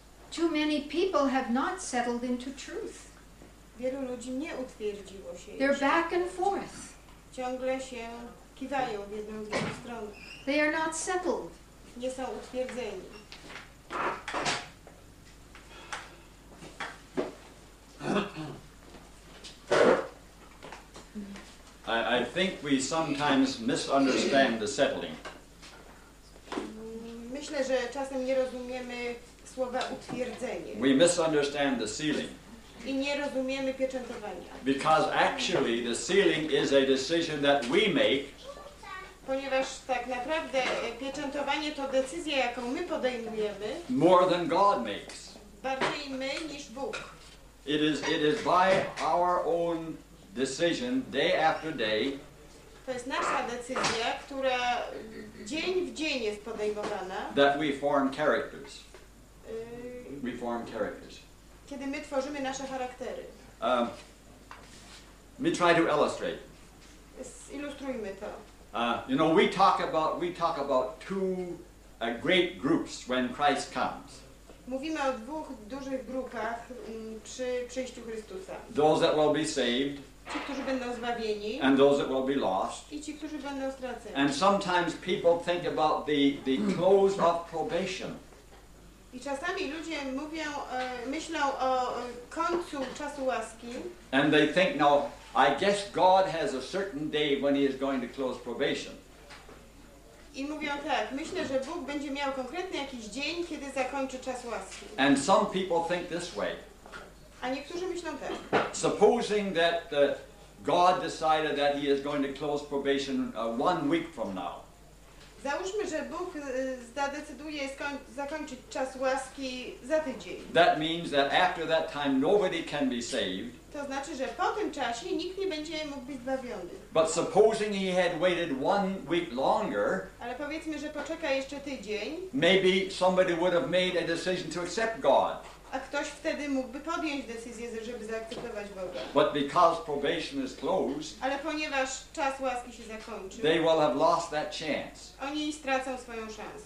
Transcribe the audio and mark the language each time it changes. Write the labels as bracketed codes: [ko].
[en] Too many people have not settled into truth. [pl] Wielu ludzi nie utwierdziło się. [en] They're back and forth. [pl] Ciągle się kiwają w jedną i drugą stronę. [en] They are not settled. [pl] Nie są utwierdzeni. [en] I think we sometimes misunderstand the settling. [pl] Myślę, że czasem nie rozumiemy słowa utwierdzenie. [en] We misunderstand the sealing. [pl] I nie rozumiemy pieczętowania. [en] Because actually the sealing is a decision that we make. [pl] Ponieważ tak naprawdę pieczętowanie to decyzja, jaką my podejmujemy. [en] More than God makes. [pl] Bardziej my niż Bóg. [en] It is by our own decision day after day. [pl] To jest nasza decyzja, która dzień w dzień jest podejmowana. [en] That we form characters. We form characters. [pl] Kiedy my tworzymy nasze charaktery. [en] Let me try to illustrate. [pl] Ilustrujmy to. [en] You know, we talk about two great groups when Christ comes. [pl] Mówimy o dwóch dużych grupach przy przyjściu Chrystusa. [en] Those that will be saved. [pl] Ci, którzy będą zbawieni. [en] And those that will be lost. [pl] I ci, którzy będą straceni. [en] And sometimes people think about the close of probation. [pl] I czasami ludzie mówią, myślą o końcu czasu łaski. [en] And they think, no, I guess God has a certain day when he is going to close probation. [pl] I mówią tak, myślę, że Bóg będzie miał konkretny jakiś dzień, kiedy zakończy czas łaski. [en] And some people think this way. [pl] A niektórzy myślą tak. [en] Supposing that God decided that he is going to close probation 1 week from now. [pl] Załóżmy, że Bóg zadecyduje zakończyć czas łaski za tydzień. [en] That means that after that time nobody can be saved. [pl] To znaczy, że po tym czasie nikt nie będzie mógł być zbawiony. [en] But supposing he had waited 1 week longer. [pl] Ale powiedzmy, że poczeka jeszcze tydzień. [en] Maybe somebody would have made a decision to accept God. [pl] A ktoś wtedy mógłby podjąć decyzję, żeby zaakceptować Boga. [en] But because probation is closed, [pl] ale ponieważ czas łaski się zakończył, [en] they will have lost that chance. [pl] Oni stracą swoją szansę.